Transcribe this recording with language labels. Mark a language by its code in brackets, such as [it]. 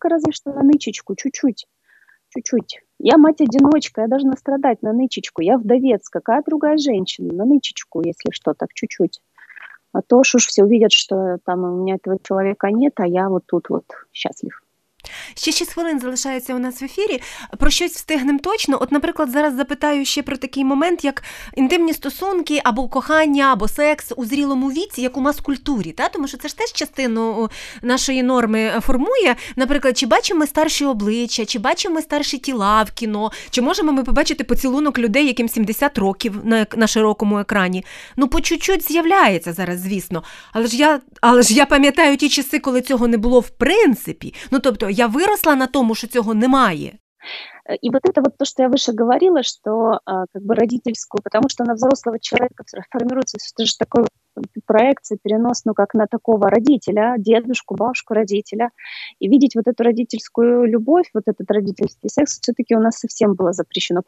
[ru] Все на нычечку, только разве что на нычечку, чуть-чуть. Я мать-одиночка, я должна страдать на нычечку. Я вдовец, какая другая женщина? На нычечку, если что, так чуть-чуть. А то ж уж все увидят, что там у меня этого человека нет, а я вот тут вот счастлив. [uk] Ще 6 хвилин залишається у нас в ефірі. Про щось встигнемо точно. От, наприклад, зараз запитаю ще про такий момент, як інтимні стосунки, або кохання, або секс у зрілому віці, як у маскультурі. Та? Тому що це ж теж частину нашої норми формує. Наприклад, чи бачимо ми старші обличчя, чи бачимо ми старші тіла в кіно, чи можемо ми побачити поцілунок людей, яким 70 років на широкому екрані. Ну, по чуть-чуть з'являється зараз, звісно. Але ж я пам'ятаю ті часи, коли цього не було в принципі. [ru] Тобто я выросла на том, что этого немає. И вот это вот то, что я выше говорила, что родительскую, потому что на взрослого человека формируется же такой проекция, перенос, как на такого родителя, дедушку, бабушку, родителя. И видеть вот эту родительскую любовь, вот этот родительский секс, все-таки у нас совсем было запрещено.